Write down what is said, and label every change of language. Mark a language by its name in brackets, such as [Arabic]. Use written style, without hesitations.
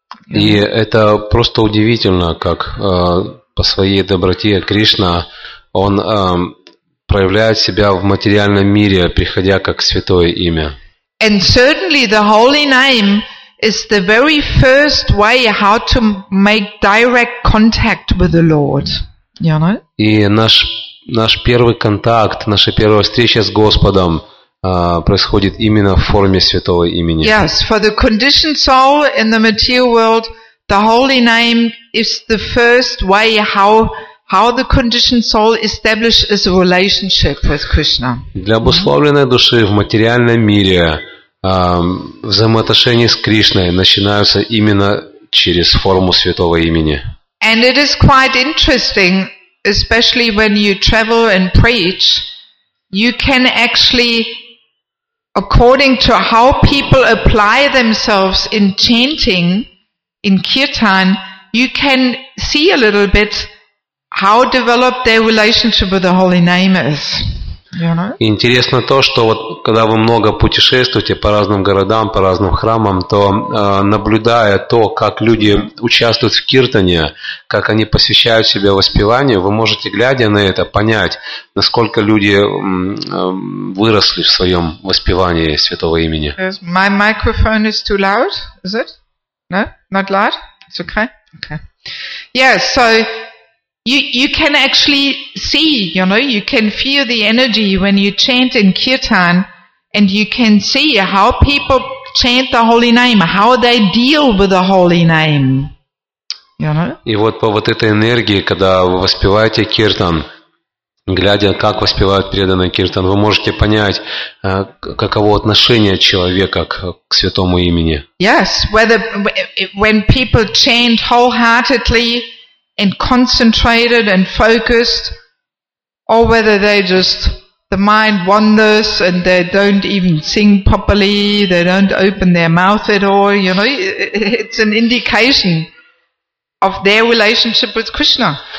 [Russian] И это просто удивительно, как по своей доброте Кришна, он проявляет себя в материальном мире, приходя как святое имя. [English] And certainly the holy name is the very first way how to make direct contact with the Lord. You know? [Russian] И наш первый контакт, наша первая встреча с Господом происходит именно в форме святого имени. [English] Yes, for the conditioned soul in the material world, the holy name is the first way how the conditioned soul establishes a relationship with Krishna. [Russian] Для обусловленной души в материальном мире взаимоотношения с Кришной начинаются именно через форму святого имени. [English] And it is quite interesting, especially when you travel and preach, you can actually, according to how people apply themselves in chanting in kirtan, you can see a little bit how developed their relationship with the holy name is. [Russian] Интересно то, что вот когда вы много путешествуете по разным городам, по разным храмам, то наблюдая то, как люди участвуют в киртане, как они посвящают себя воспеванию, вы можете, глядя на это, понять, насколько люди выросли в своем воспевании святого имени. [English] My microphone is too loud, is it? No? Not loud? It's okay? Okay. Yeah, so You can actually see, you know, you can feel the energy when you chant in kirtan, and you can see how people chant the holy name, how they deal with the holy name, you know. [Russian] И вот по вот этой энергии, когда вы воспеваете киртан, глядя, как воспевают преданные киртан, вы можете понять, каково отношение человека к святому имени. [English] Yes, when people chant wholeheartedly and concentrated and focused, or whether they just, the mind wanders and they don't even sing properly, they don't open their mouth at all, you know, it's an indication of their relationship with Krishna.